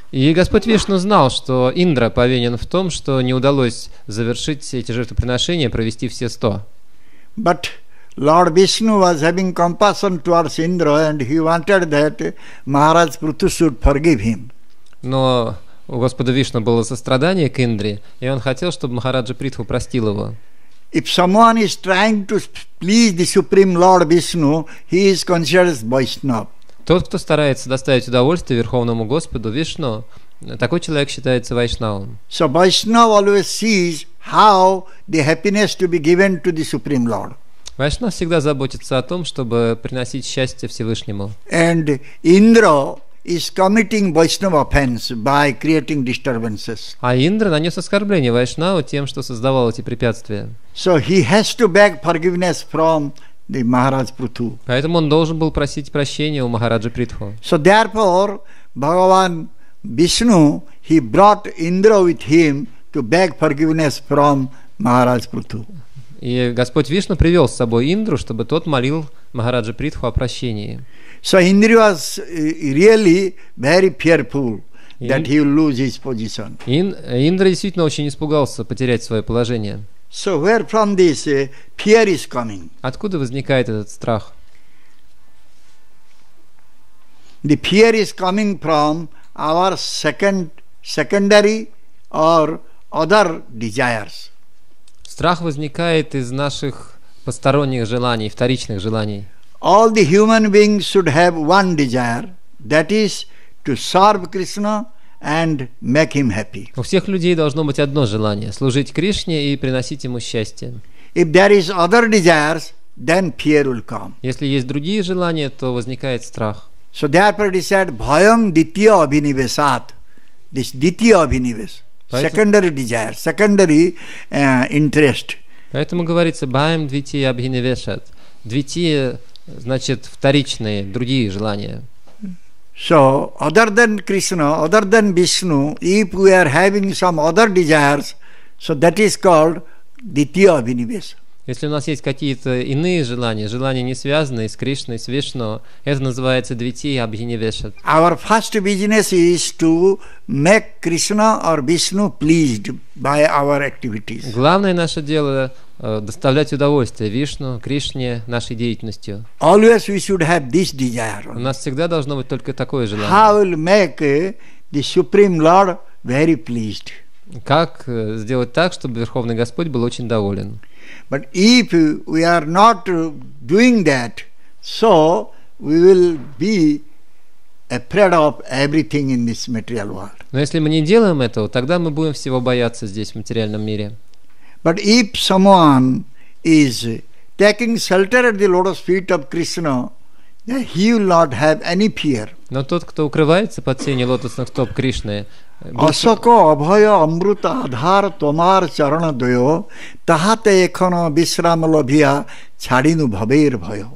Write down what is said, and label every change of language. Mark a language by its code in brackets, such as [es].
[ru] И Господь Вишну знал, что Индра повинен в том, что не удалось завершить все эти жертвоприношения, провести все 100. [en] But Lord Vishnu was having compassion towards Indra, and he wanted that Maharaj Prithu should forgive him. [ru] Но у Господа Вишну было сострадание к Индре, и он хотел, чтобы Махараджа Притху простил его. [en] If someone is trying to please the Supreme Lord Vishnu, he is considered Vaishnav. [ru] Тот, кто старается доставить удовольствие Верховному Господу Вишну, такой человек считается Вайшнавом. [en] So Vaishnav always sees how the happiness to be given to the Supreme Lord. [ru] Вайшнав всегда заботится о том, чтобы приносить счастье Всевышнему. [en] And Indra is committing Vaishnava offense by creating disturbances. [ru] А Индра нанес оскорбление Вайшнаву тем, что создавал эти препятствия. [en] So he has to beg forgiveness from the Maharaj Prithu. [ru] Поэтому он должен был просить прощения у Махараджа Притху. [en] So therefore, Bhagavan Vishnu he brought Indra with him to beg forgiveness from Maharaj Prithu. [ru] И Господь Вишну привел с собой Индру, чтобы тот молил Махараджа Притху о прощении. [en] So Indra was really very fearful that he will lose his position. [ru] Индра действительно очень испугался потерять свое положение. [en] So where from this fear is coming? [ru] Откуда возникает этот страх? [en] The fear is coming from our secondary or other desires. [ru] Страх возникает из наших посторонних желаний, вторичных желаний. [en] All the human beings should have one desire, that is to serve Krishna and make him happy. [ru] У всех людей должно быть одно желание – служить Кришне и приносить ему счастье. [en] If there is other desires, then fear will come. [ru] Если есть другие желания, то возникает страх. [en] So therefore he said, [sa] bhayam ditya abhinivesat. [en] This ditya abhinives. Secondary desire, secondary interest. [ru] Поэтому говорится, [sa] bhayam ditya abhinivesat. [ru] Dvitiya, значит, вторичные, другие желания. [en] So, other than Krishna, other than Vishnu, if we are having some other desires, so that is called ditya abhinivesa. [ru] Если у нас есть какие-то иные желания, желания не связанные с Кришной, с Вишну, это называется ditya abhinivesa. [en] Our first business is to make Krishna or Vishnu pleased by our activities. [ru] Главное наше дело доставлять удовольствие Вишну, Кришне нашей деятельностью. [en] Always we should have this desire. [ru] У нас всегда должно быть только такое желание. [en] How will make the Supreme Lord very pleased? [ru] Как сделать так, чтобы Верховный Господь был очень доволен? [en] But if we are not doing that, so we will be afraid of everything in this material world. [ru] Но если мы не делаем этого, тогда мы будем всего бояться здесь, в материальном мире. [en] But if someone is taking shelter at the lotus feet of Krishna, then he will not have any fear. [ru] Но тот, кто укрывается под сенью лотосных стоп Кришны, [bn] অসক অভয় অমৃত আধার তোমার চরণ দ্বয় তাহাতে এখন বিশ্রাম লভিয়া ছাড়িনু ভবের ভয়।